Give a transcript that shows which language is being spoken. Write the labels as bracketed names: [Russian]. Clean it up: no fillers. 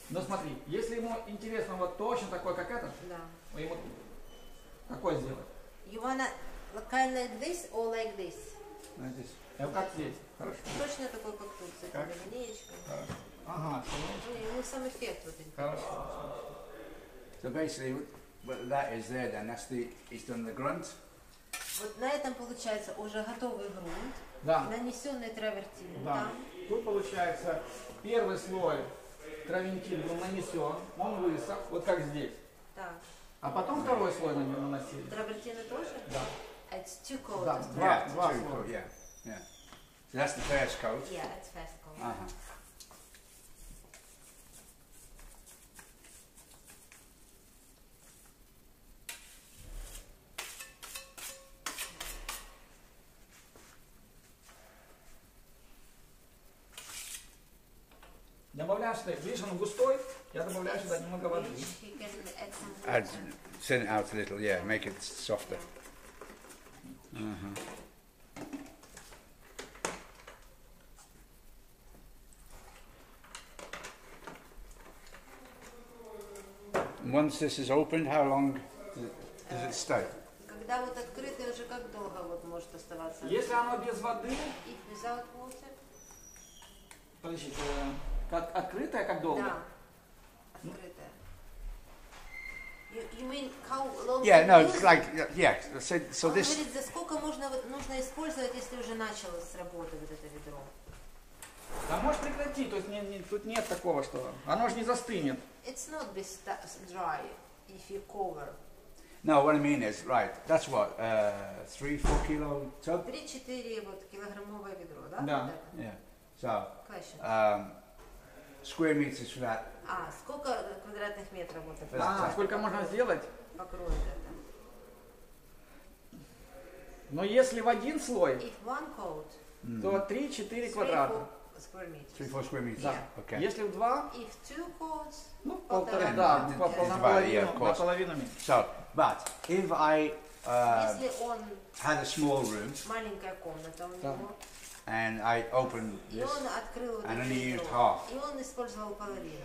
[Russian] Ну смотри, если ему интересно вот точно такой, как этот, да. Ему такой сделать. [English] You wanna Kind like this or like this? Like this. [Russian] Точно такой, как тут, с этой линеечкой. Ага. Ну, ему сам эффект вот этот. Хорошо. [English] So basically, what that is there, then that's the, he's done the grunt. [Russian] Вот на этом получается уже готовый грунт, да. Нанесенный травертин. Да. Тут получается первый слой травертин был нанесен, он высох, вот как здесь. Так. А потом второй слой на него наносили. Травертины тоже? Да. [English] It's two coats. [Russian] Да, [English] yeah, [Russian] два слоя. [English] Yeah. Yeah. So that's the first coat. Yeah, it's first coat. Uh-huh. [Russian] Добавляешь ты, видишь, он густой, я добавляю сюда немного воды. [English] Add, thin it out a little, yeah, make it softer. Uh-huh. Once this is opened, how long does it stay? [Russian] Когда вот открытый уже как долго вот может оставаться? Если оно без воды? If without water. Подождите, как открытое как долго? Да. Открытое. [English] You mean how long? Yeah, no, it's like yeah. So [Russian] он [English] this. [Russian] Говорит, за сколько можно вот нужно использовать, если уже началось работать вот это ведро? Да можешь прекратить, то есть тут нет такого, что оно же не застынет. [English] It's not this dry if you cover. No, what I mean is, right, that's what, 3-4 kilo tub? [Russian] 3-4 вот, килограммовое ведро, да? Да. [English] Yeah. So, square meters for that. [Russian] А, сколько квадратных метров вот это? А, сколько можно сделать? Покрой это. Но если в один слой, [English] if one coat, [Russian] то 3-4 квадрата. [English] Square meters. 3-4 square meters. if two coats, [Russian] ну, полтора, да, наполовину. [English] So, but if I had a small room, [Russian] маленькая комната у него, [English] and I opened this, [Russian] и он открыл вот [English] and only used half, [Russian] и он использовал половину.